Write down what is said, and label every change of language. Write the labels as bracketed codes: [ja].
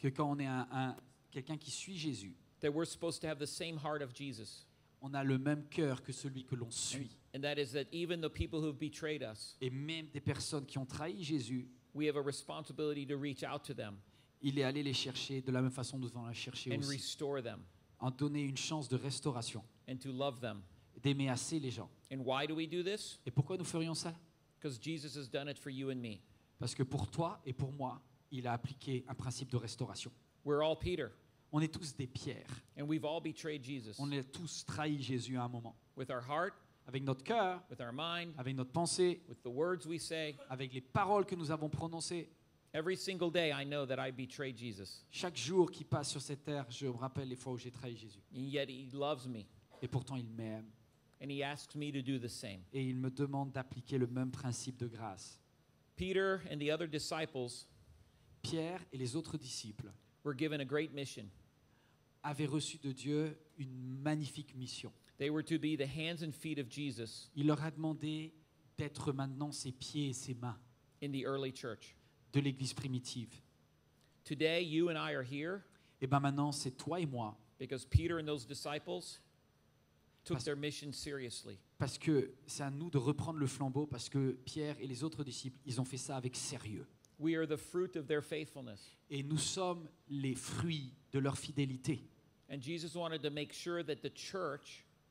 [fr] Que quand on est quelqu'un qui suit Jésus. [en] That we're supposed to have the same heart of Jesus. [fr] On a le même cœur que celui que l'on suit. [en] And that is that even the people who have betrayed us. [fr] Et même des personnes qui ont trahi Jésus. [en] We have a responsibility to reach out to them. [fr] Il est allé les chercher de la même façon dont on l'a cherché aussi. [en] And restore them. [fr] En donner une chance de restauration. [en] And to love them. [fr] D'aimer assez les gens. [en] And why do we do this? [fr] Et pourquoi nous ferions ça? [en] Because Jesus has done it for you and me. [fr] Parce que pour toi et pour moi, il a appliqué un principe de restauration. [en] We're all Peter. [fr] On est tous des pierres. [en] And we've all betrayed Jesus. [fr] On a tous trahi Jésus à un moment. [en] With our heart, [fr] avec notre cœur, [en] with our mind, [fr] avec notre pensée, [en] with the words we say, [fr] avec les paroles que nous avons prononcées. [en] Every single day I know that I betrayed Jesus. [fr] Chaque jour qui passe sur cette terre, je me rappelle les fois où j'ai trahi Jésus. [en] And yet he loves me. [fr] Et pourtant il m'aime. [en] And he asks me to do the same. [fr] Et il me demande d'appliquer le même principe de grâce. [en] Peter and the other disciples, [fr] Pierre et les autres disciples, [en] were given a great mission. [fr] Avaient reçu de Dieu une magnifique mission. [en] They were to be the hands and feet of Jesus. [fr] Il leur a demandé d'être maintenant ses pieds et ses mains. [en] In the early church. [fr] De l'église primitive. [en] Today you and I are here. [fr] Et ben maintenant c'est toi et moi. [en] Because Peter and those disciples took their mission seriously. [fr] Parce que c'est à nous de reprendre le flambeau parce que Pierre et les autres disciples, ils ont fait ça avec sérieux. [en] We are the fruit of their faithfulness. [fr] Et nous sommes les fruits de leur fidélité. [en] And Jesus wanted to make sure that the church